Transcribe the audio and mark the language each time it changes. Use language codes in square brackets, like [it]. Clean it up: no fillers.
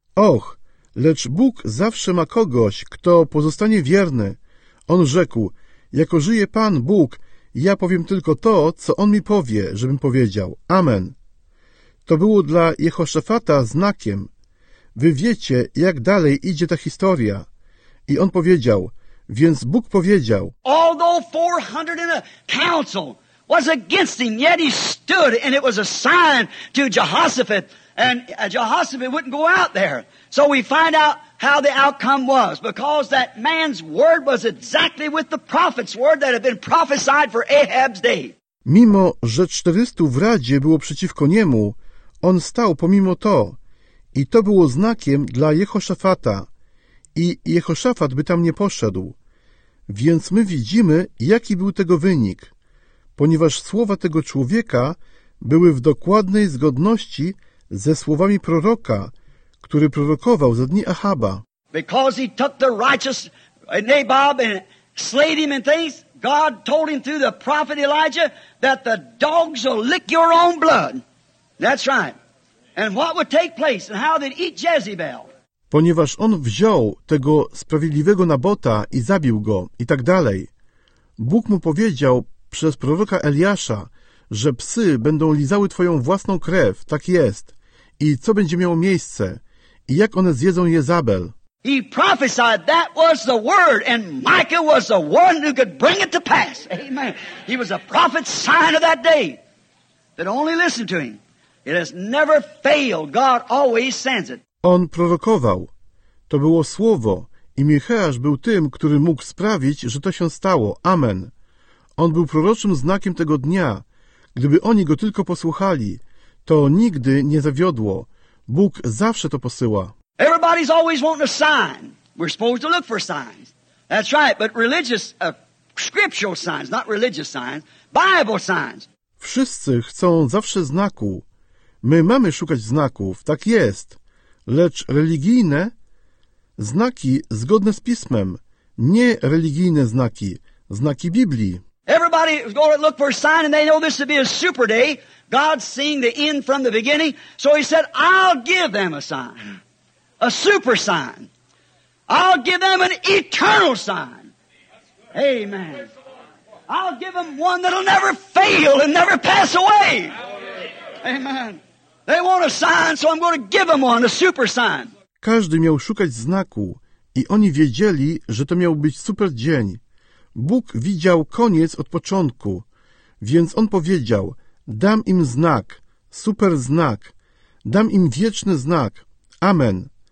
[pl] Och, lecz Bóg zawsze ma kogoś, kto pozostanie wierny. On rzekł, jako żyje Pan Bóg, ja powiem tylko to, co On mi powie, żebym powiedział. Amen. To było dla Jehoszafata znakiem. Wy wiecie, jak dalej idzie ta historia. I on powiedział, więc Bóg powiedział. [en] Although 400 in a council was against him, yet he stood and it was a sign to Jehoshaphat. And Jehoshaphat wouldn't go out there. So we find out how the outcome was. Because that man's word was exactly with the prophet's word that had been prophesied for Ahab's day. [pl] Mimo, że 400 w radzie było przeciwko niemu, on stał pomimo to. I to było znakiem dla Jehoszafata. I Jehoszafat by tam nie poszedł. Więc my widzimy, jaki był tego wynik. Ponieważ słowa tego człowieka były w dokładnej zgodności ze słowami proroka, który prorokował za dni Achaba. [en] Because he took the righteous Nabob and slayed him and things, God told him through the prophet Elijah that the dogs will lick your own blood. That's right. And what would take place and how they'd eat Jezebel. [pl] Ponieważ on wziął tego sprawiedliwego Nabota i zabił go i tak dalej. Bóg mu powiedział przez proroka Eliasza, że psy będą lizały twoją własną krew, tak jest. I co będzie miało miejsce? I jak one zjedzą Jezabel? [en] He prophesied that was the word, and Micah was the one who could bring it to pass. Amen. He was a prophet's sign of that day. But only listen to him. It has never failed. God always sends it. [pl] On prorokował. To było słowo. I Micheasz był tym, który mógł sprawić, że to się stało. Amen. On był proroczym znakiem tego dnia. Gdyby oni go tylko posłuchali, to nigdy nie zawiodło. Bóg zawsze to posyła. [en] Everybody's always wanting a sign. We're supposed to look for signs. That's right, but religious, scriptural signs, not religious signs, Bible signs. [pl] Wszyscy chcą zawsze znaku. My mamy szukać znaków, tak jest. Lecz religijne znaki zgodne z Pismem, nie religijne znaki, znaki Biblii. [en] Everybody is going to look for a sign, and they know this to be a super day. God's seeing the end from the beginning. So he said, I'll give them a sign, a super sign. I'll give them an eternal sign. Amen. I'll give them one that'll never fail and never pass away. Amen. They want a sign, so I'm going to give them one, a super sign. [pl] Każdy miał szukać znaku, i oni wiedzieli, że to miał być super dzień. Bóg widział koniec od początku, więc on powiedział, dam im znak, super znak, dam im wieczny znak, amen.